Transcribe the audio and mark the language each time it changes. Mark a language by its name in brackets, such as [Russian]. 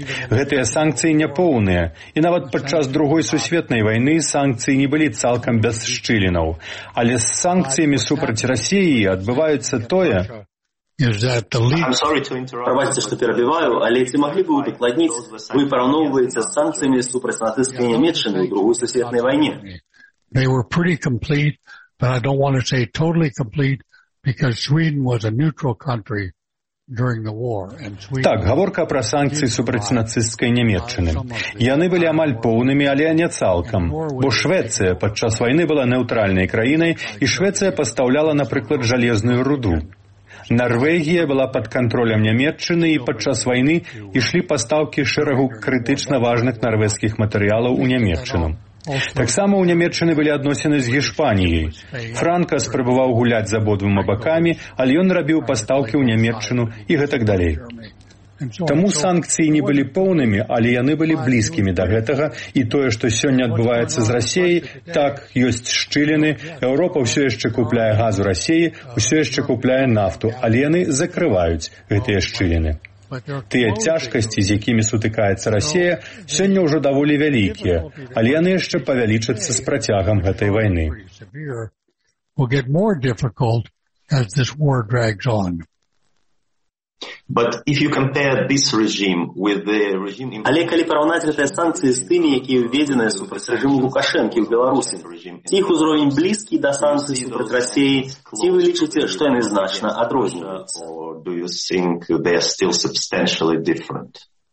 [Belarusian] Гэтыя санкцыі няпоўныя, і нават падчас Другой сусветнай вайны санкцыі не былі цалкам без шчылінаў. Але з санкцыямі супраць Расіі адбываецца тое... Прабачце, што перабіваю, але ці маглі бы ўдакладніць, вы параўноўваеце з санкцыямі супраць нацысцкай Нямеччыны ў Другой сусветнай вайне? [English] They were pretty complete, but I don't want to say totally complete, because Sweden was a neutral country during the war. [Belarusian] Так, гаворка пра санкцыі супраць нацысцкай Нямеччыны. Яны былі амаль поўнымі, але не цалкам. Бо Швецыя падчас вайны была нейтральнай краінай, і Швецыя пастаўляла, напрыклад, жалезную руду. Нарвегія была пад кантролем Нямеччыны, і падчас вайны ішлі пастаўкі шэрагу крытычна важных нарвежскіх матэрыялаў у Нямеччыну. Таксама ў Нямеччыны былі адносіны з Гішпаніяй. Франка спрабаваў гуляць з абодвума бакамі, але ён рабіў пастаўкі ў Нямеччыну і гэтак далей. Таму санкцыі не былі поўнымі, але яны былі блізкімі да гэтага, і тое, што сёння адбываецца з Расіяй, так, ёсць шчыліны, Еўропа ўсё яшчэ купляе газ у Расіі, ўсё яшчэ купляе нафту, але яны закрываюць гэтыя шчыліны. Тыя цяжкасці, з якімі сутыкаецца Расія, сёння ўжо даволі вялікія, але яны яшчэ павялічацца з працягам гэтай вайны. [English] Will get more difficult as this war drags on. But if you compare this regime with the regime in... [Belarusian] Але калі параўнаць гэтыя санкцыі з тымі, якія ўведзеныя супраць рэжыму Лукашэнкі ў Беларусі, ці іх узровень блізкі да санкцый супраць Расіі, ці вы лічыце, што яны значна адрозніваюцца? [English] Or do you think they are still substantially different?